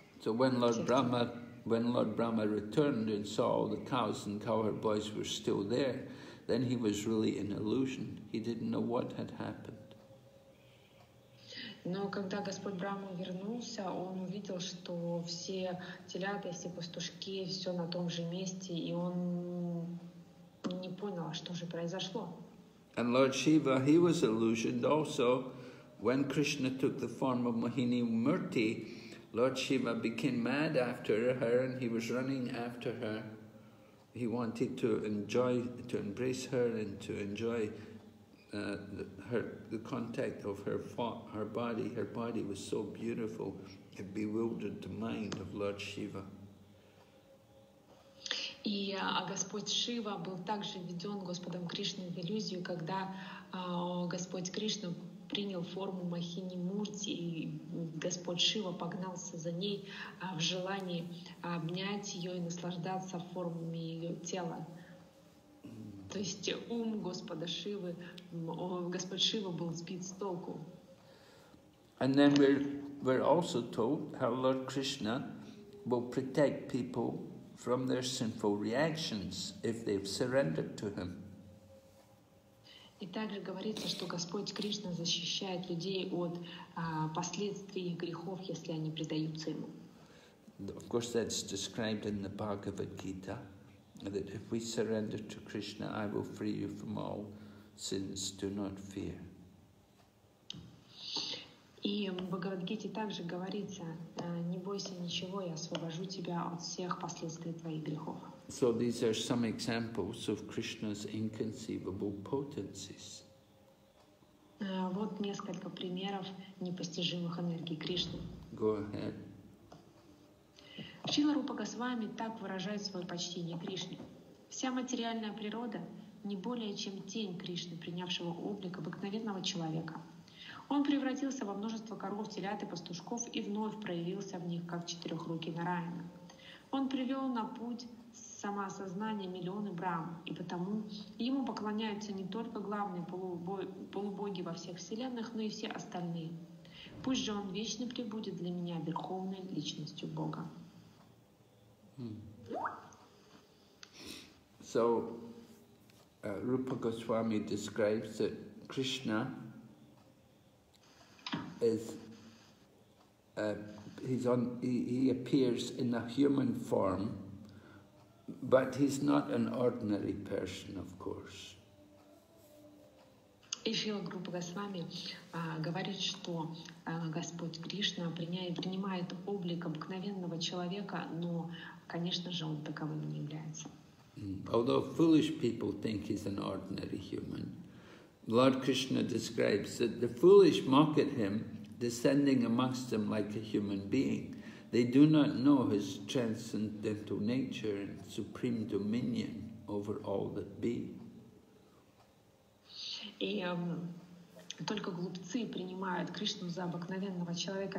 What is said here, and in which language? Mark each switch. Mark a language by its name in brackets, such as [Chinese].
[English] So when Lord Brahma returned and saw all the cows and cowherd boys were still there, then he was really in illusion. He didn't know what had happened. [Russian] Но когда Господь Брама вернулся, он увидел, что все телята, все пастушки, все на том же месте, и он не понял, что же произошло. [English] And Lord Shiva, he was illusioned also. When Krishna took the form of Mohini Murti, Lord Shiva became mad after her, and he was running after her. He wanted to enjoy, to embrace her, and to enjoy the contact of her body. Her body was so beautiful, it bewildered the mind of Lord Shiva. [Russian] И Господь Шива был также введен Господом Кришной в иллюзию, когда Господь Кришна принял форму Махини Мурти, и Господь Шива погнался за ней в желании обнять ее и наслаждаться формами ее тела. То есть ум Господа Шивы, Господь Шива был сбит с толку. [English] And then we're also told how Lord Krishna will protect people from their sinful reactions if they've surrendered to him. [Russian] И также говорится, что Господь Кришна защищает людей от последствий грехов, если они предаются ему. [English] Of course, that's described in the Bhagavad Gita, that if we surrender to Krishna, I will free you from all sins, do not fear. [Russian] И в Бхагавад-гите также говорится, не бойся ничего, я освобожу тебя от всех последствий твоих грехов. [English] So these are some examples of Krishna's inconceivable potencies. [Russian] Вот несколько примеров непостижимых энергий Кришны. [English] Go ahead. [Russian] Шрила Рупа Госвами так выражает свое почтение Кришне. Вся материальная природа не более чем тень Кришны, принявшего облик обыкновенного человека. Он превратился во множество коров, телят и пастушков и вновь проявился в них, как четырехрукий Нараяна. Он привел на путь самоосознание миллионы брахм, и потому ему поклоняются не только главные полубоги во всех вселенных, но и все остальные. Пусть же он вечно пребудет для меня верховной личностью Бога. [English] So, Rupa Goswami describes that Krishna is he appears in a human form, but he's not an ordinary person, of course. [Russian] И Шрила Группа Госвами говорит, что Господь Кришна принимает облик обыкновенного человека, но, конечно же, он таковым не является. [English] Although foolish people think he's an ordinary human, Lord Krishna describes that the foolish mock at him, descending amongst them like a human being. They do not know his transcendental nature and supreme dominion over all that be. [Russian] И только глупцы принимают Кришну за обыкновенного человека.